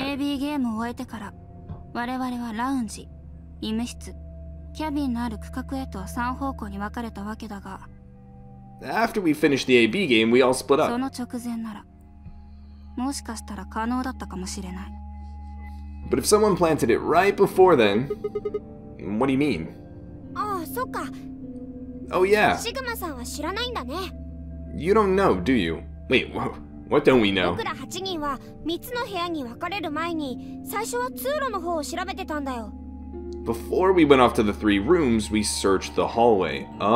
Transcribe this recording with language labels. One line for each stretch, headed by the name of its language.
Japanese: AB game 終えてから我々はラウンジ、医務室、キャビンのある区画へと3方向に分かれたわけだが。
English: After we finished the AB game, we all split up.
Japanese: その直前なら、もしかしたら可能だったかもしれない。
English: But if someone planted it right before then, what do you mean?
Japanese: ああ、そっか。
English: Oh yeah.
Japanese: シグマさんは知らないんだね。
English: You don't know, do you? Wait, whoa. What don't we know?
Japanese: 僕ら8人は3つの部屋に分かれる前に、最初は通路の方を調べてたんだよ。
English: Before we went off to the three rooms, we searched the hallway.